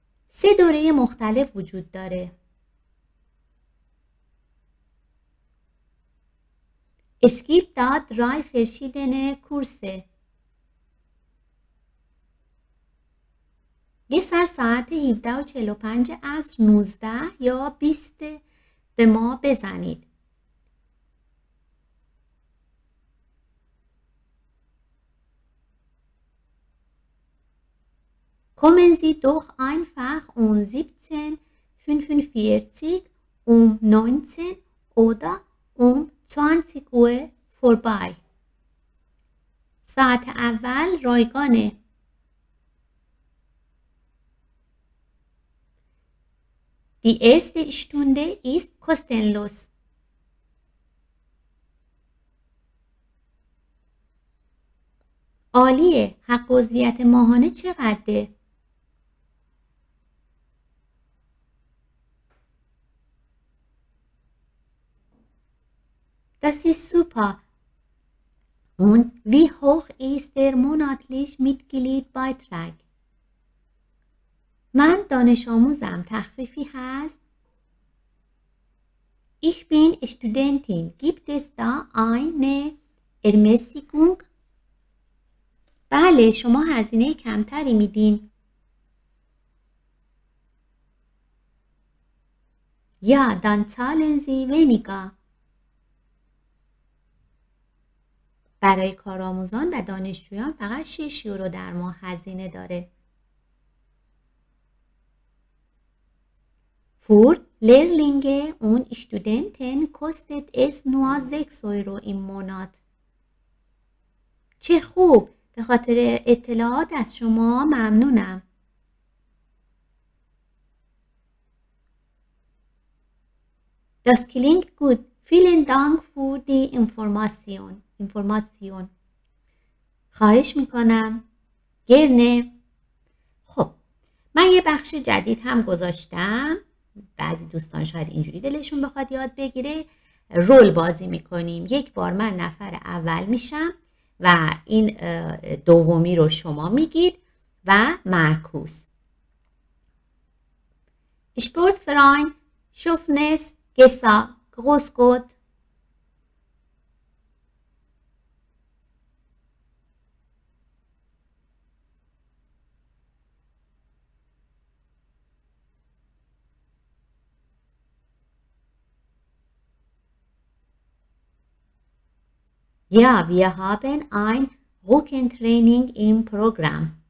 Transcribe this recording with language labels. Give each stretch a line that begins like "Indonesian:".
Persian: سه دوره مختلف وجود داره.
German: Es gibt da drei verschiedene Kurse.
Persian: یه سر ساعت 17:45 از 19 یا 20 به ما بزنید.
German: Kommen Sie doch einfach um 17:45, um 19 oder um 20 Uhr vorbei.
Persian: Saat اول رایگانه.
German: Die erste Stunde ist kostenlos.
Persian: عالیه. حق عضویت ماهانه چقدره؟
German: Das ist super. Und wie hoch ist der monatliche Mitgliedbeitrag?
Persian: من دانش آموزم. تخفیفی هست؟
German: Ich bin Studentin. Gibt es da eine Ermäßigung?
Persian: بله، شما هزینه کمتری میدین.
German: Ja, dann zahlen Sie weniger.
Persian: برای کارآموزان و دانشجویان فقط 6 یورو در ماه هزینه داره.
German: Für Lehrlinge und Studenten kostet es nur 6 Euro im Monat.
Persian: چه خوب، به خاطر اطلاعات از شما ممنونم.
German: Das klingt gut. Vielen Dank für die Information.
Persian: اینفورماسیون. خواهش میکنم. گرنه. خب. من یه بخش جدید هم گذاشتم. بعضی دوستان شاید اینجوری دلشون بخواد یاد بگیره. رول بازی میکنیم. یک بار من نفر اول میشم و این دومی رو شما میگید و معکوس.
German: اشپورت فراین شفنس گسا گوزگوت Ja, wir haben ein Rückentraining im Programm.